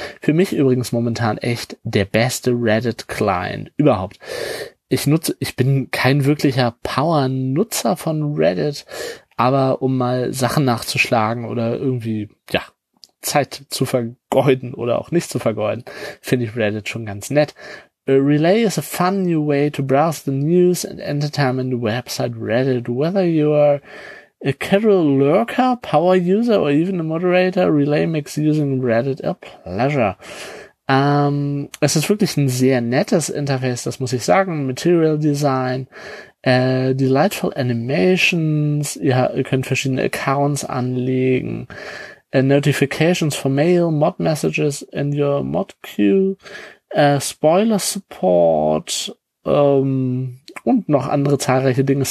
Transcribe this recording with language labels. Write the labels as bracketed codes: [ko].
[de] Für mich übrigens momentan echt der beste Reddit-Client überhaupt. Ich bin kein wirklicher Power-Nutzer von Reddit, aber um mal Sachen nachzuschlagen oder irgendwie, ja, Zeit zu vergeuden oder auch nicht zu vergeuden, finde ich Reddit schon ganz nett. [en] A Relay is a fun new way to browse the news and entertainment website Reddit. Whether you are a casual lurker, power user, or even a moderator, Relay makes using Reddit a pleasure. [de] Es ist wirklich ein sehr nettes Interface, das muss ich sagen. Material Design, [en] delightful animations, [de] ihr könnt verschiedene Accounts anlegen, [en] notifications for mail, mod messages in your mod queue, [de] Spoiler Support, und noch andere zahlreiche Dinge.